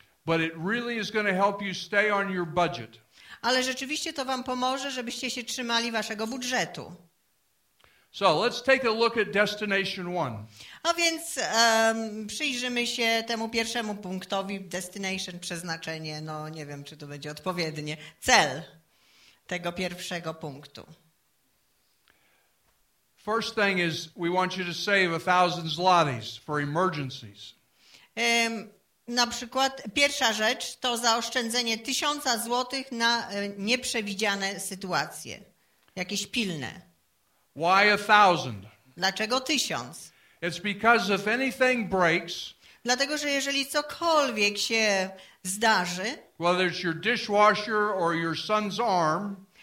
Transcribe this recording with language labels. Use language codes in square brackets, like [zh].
[en] But it really is going to help you stay on your budget. [pl] Ale rzeczywiście to wam pomoże, żebyście się trzymali waszego budżetu. [en] So let's take a look at destination one. [pl] A więc przyjrzymy się temu pierwszemu punktowi, destination, przeznaczenie, no nie wiem, czy to będzie odpowiednie, cel tego pierwszego punktu. [en] First thing is, we want you to save 1,000 zlotys for emergencies. [pl] Na przykład, pierwsza rzecz to zaoszczędzenie 1,000 złotych na nieprzewidziane sytuacje, jakieś pilne. [en] Why 1,000? [pl] Dlaczego 1,000? [en] It's because if anything breaks, [pl] dlatego, że jeżeli cokolwiek się zdarzy, [en] whether it's your dishwasher or your son's arm,